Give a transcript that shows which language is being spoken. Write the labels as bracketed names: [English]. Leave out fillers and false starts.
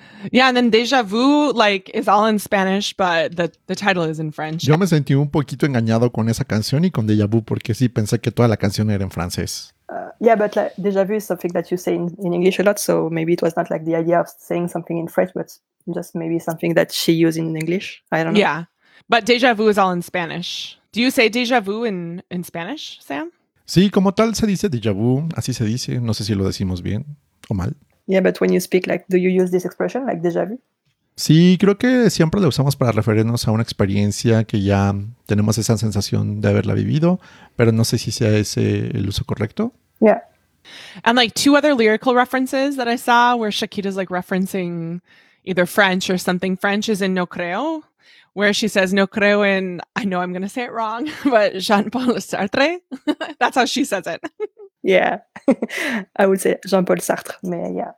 [English] Yeah, and then Déjà Vu, like, is all in Spanish, but the title is in French. [Spanish] Yo me sentí un poquito engañado con esa canción y con Déjà Vu, porque sí pensé que toda la canción era en francés. [English] Yeah, but like, Déjà Vu is something that you say in English a lot, so maybe it was not like the idea of saying something in French, but just maybe something that she used in English. I don't know. Yeah, but Déjà Vu is all in Spanish. Do you say Déjà Vu in Spanish, Sam? [Spanish] Sí, como tal se dice Déjà Vu, así se dice. No sé si lo decimos bien o mal. [English] Yeah, but when you speak, like, do you use this expression, like Déjà Vu? [Spanish] Sí, creo que siempre lo usamos para referirnos a una experiencia que ya tenemos esa sensación de haberla vivido, pero no sé si sea ese el uso correcto. [English] Yeah. And like two other lyrical references that I saw where Shakira's like referencing either French or something French is in No Creo, where she says No Creo in, I know I'm going to say it wrong, but Jean-Paul Sartre. That's how she says it. Yeah, I would say Jean-Paul Sartre, but yeah.